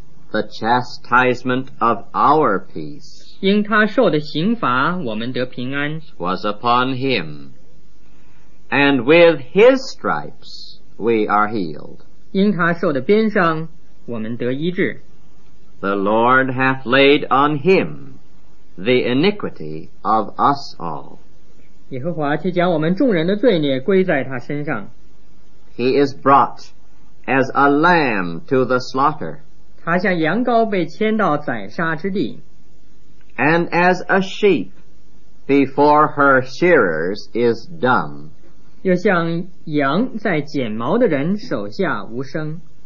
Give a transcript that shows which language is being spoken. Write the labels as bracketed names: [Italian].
[English] The chastisement of our peace. [Chinese] 因他受的刑罚我们得平安。 [English] Was upon him. And with his stripes we are healed. [Chinese] 因他受的鞭伤我们得医治。 [English] The Lord hath laid on him the iniquity of us all. [Chinese] 耶和华却将我们众人的罪孽归在他身上。 [English] He is brought as a lamb to the slaughter. [Chinese] 他像羊羔被牵到宰杀之地。 [English] And as a sheep before her shearers is dumb. [Chinese] 又像羊在剪毛的人手下无声。